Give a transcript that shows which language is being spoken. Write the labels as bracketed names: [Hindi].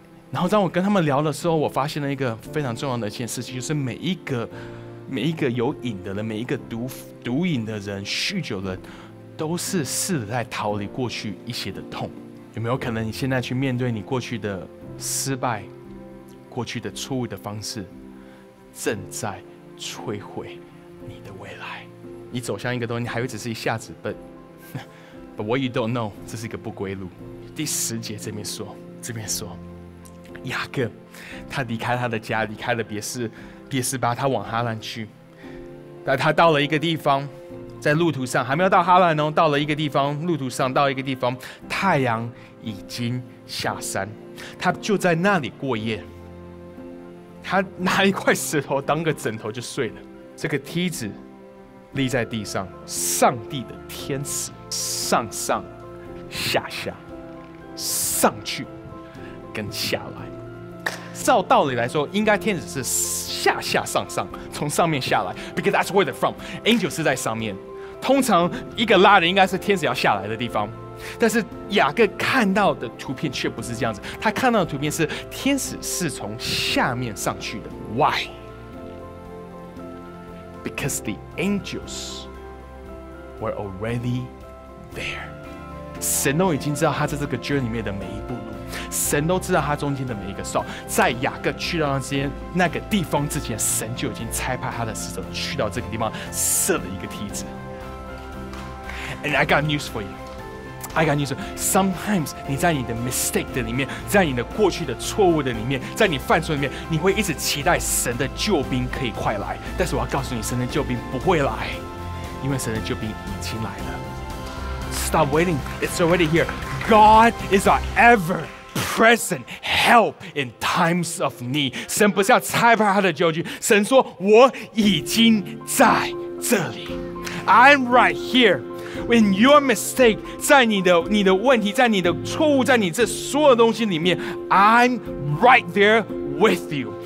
[Chinese] 然后当我跟他们聊的时候，我发现了一个非常重要的一件事情，就是每一个有瘾的人，每一个毒瘾的人、酗酒的人，都是试着在逃离过去一些的痛。有没有可能你现在去面对你过去的失败、过去的错误的方式，正在摧毁你的未来？你走向一个东西，你还会只是一下子笨。 [English] But what you don't know， [Chinese] 这是一个不归路。第十节这边说，雅各他离开他的家，离开了别士巴，他往哈兰去。但他到了一个地方，在路途上还没有到哈兰哦，到了一个地方，路途上到一个地方，太阳已经下山，他就在那里过夜。他拿一块石头当个枕头就睡了。这个梯子立在地上，上帝的天使。上上下下，上去跟下来，照道理来说，应该天使是下下上上，从上面下来 ， [English] because that's where they're from. [Chinese] Angel 是在上面，通常一个拉的应该是天使要下来的地方，但是雅各看到的图片却不是这样子，他看到的图片是天使是从下面上去的。 [English] Why? Because the angels were already. There. [Chinese] 神都已经知道他在这个 journey 里面的每一步路，神都知道他中间的每一个 stop。在雅各去到那个地方之前，神就已经差派他的使者去到这个地方设了一个梯子。 [English] And I got news for you. I got news for you. [Chinese] Sometimes 你在你的 mistake 的里面，在你的过去的错误的里面，在你犯错里面，你会一直期待神的救兵可以快来，但是我要告诉你，神的救兵不会来，因为神的救兵已经来了。 [English] Stop waiting. It's already here. God is our ever-present help in times of need. [Chinese] 神不是要拆派他的救军，神说我已经在这里。 [English] I'm right here. When your mistake [Chinese] 在你的问题，在你的错误，在你这所有东西里面， [English] I'm right there with you.